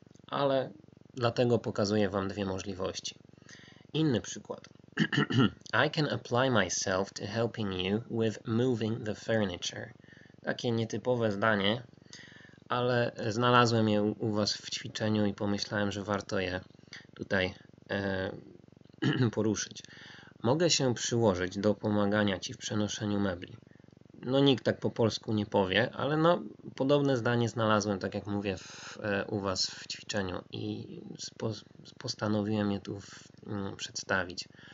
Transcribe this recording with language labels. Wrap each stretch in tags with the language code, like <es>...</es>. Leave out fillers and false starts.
<pl>Ale dlatego pokazuję Wam dwie możliwości. Inny przykład.</pl> <en>I can apply myself to helping you with moving the furniture.</en> <pl>Takie nietypowe zdanie, ale znalazłem je u Was w ćwiczeniu i pomyślałem, że warto je tutaj poruszyć. Mogę się przyłożyć do pomagania Ci w przenoszeniu mebli. No nikt tak po polsku nie powie, ale no podobne zdanie znalazłem, tak jak mówię, u Was w ćwiczeniu i postanowiłem je tu przedstawić.</pl>